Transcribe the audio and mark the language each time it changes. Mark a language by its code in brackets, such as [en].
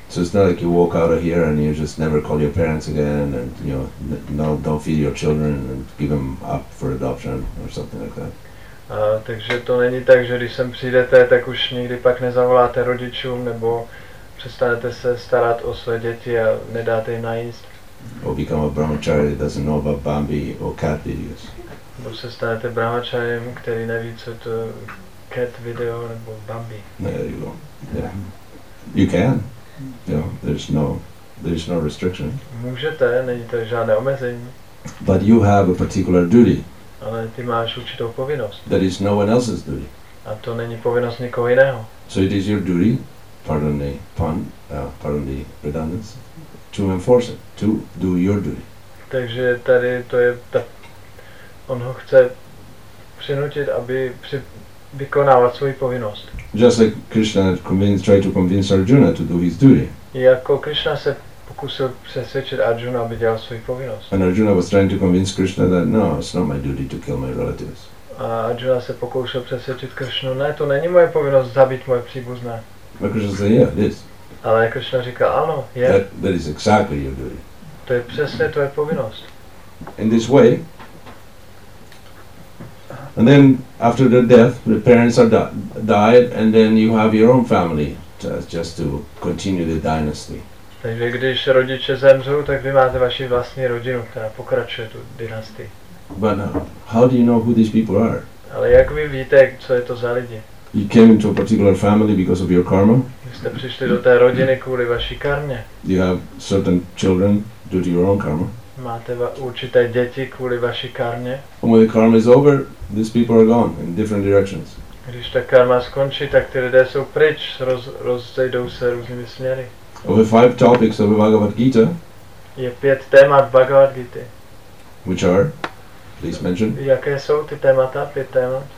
[en] So it's not like you walk out of here and you just never call your parents again and you know, don't feed your children and give them up for adoption or something like that. [cs] Takže to není tak, že když sem přijdete, tak už nikdy pak nezavoláte rodičům nebo přestanete se starat o své děti a nedáte jim najíst. [en] Or become a brahmachari that doesn't know about Bambi or cat videos. [cs] Nebo se stanete brahmačarem, který neví, co to cat video nebo Bambi. [en] There you go. Yeah. You can. Yeah. There's no restriction. [cs] Můžete, není to žádné omezení. [en] But you have a particular duty. [cs] Ale ty máš určitou povinnost. [en] That is no one else's duty. [cs] A to není povinnost nikoho jiného. [en] So it is your duty, pardon the redundancy, to enforce it, to do your duty. [cs] Takže tady to je ta. On ho chce přinutit, aby vykonával svoji povinnost. [en] Just like Krishna tried to convince Arjuna to do his duty. [cs] Jako Krishna se pokusil přesvědčit Arjuna, aby dělal svoji povinnost. [en] And Arjuna was trying to convince Krishna that no, it's not my duty to kill my relatives. [cs] A Arjuna se pokoušel přesvědčit Krishnu, ne, to není moje povinnost zabít moje příbuzné. [en] But Krishna said, yeah, it is. [cs] Ale Krishna říkal, ano, je. [en] That is exactly your duty. [cs] To je přesně tvoje povinnost. [en] In this way. And then after the death, the parents are died, and then you have your own family just to continue the dynasty. [cs] Takže když rodiče zemřou, tak vy máte vaši vlastní rodinu, která pokračuje tu dynastii. [en] But how do you know who these people are? [cs] Ale jak vy víte, co je to za lidi? [en] You came into a particular family because of your karma. [cs] Vy jste přišli do té rodiny kvůli vaší karmě. [en] You have certain children due to your own karma. [cs] Máte určité děti kvůli vaší karmě. [en] And when the karma is over, these people are gone in different directions. [cs] Když ta karma skončí, tak ty lidé jsou pryč, rozejdou se různými směry. [en] Over five topics of the Bhagavad Gita. [cs] Je pět témat Bhagavad Gita. [en] Which are? Please mention. [cs] Jaké jsou ty témata, pět témat?